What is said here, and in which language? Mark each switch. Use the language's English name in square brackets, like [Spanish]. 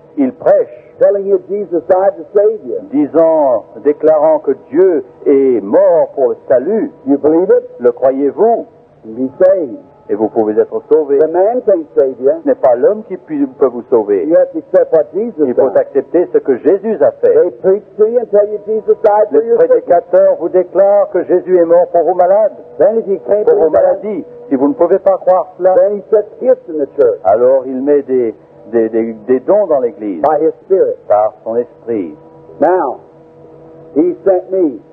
[French] Ils prêchent. [English] Telling you Jesus died to save you. [French] Disant, déclarant que Dieu est mort pour le salut. [English] You believe it? [French] Le croyez-vous? [English] Be saved. [French] Et vous pouvez être sauvé. [English] The man can't save you. [French] Ce n'est pas l'homme qui peut vous sauver. [English] You have to accept what Jesus [French] Il faut [English] done. [French] Accepter ce que Jésus a fait. [English] They preach to you and tell you Jesus died for [French] Les prédicateurs vous déclarent que Jésus est mort pour vos malades. [English] Then if you can't [French] pour vos maladies. [English] That, [French] si vous ne pouvez pas croire cela. [English] Then he sets gifts in the church. [French] Alors il met des dons dans l'église [English] By his spirit. [French] Par son esprit. [English] Now, he sent me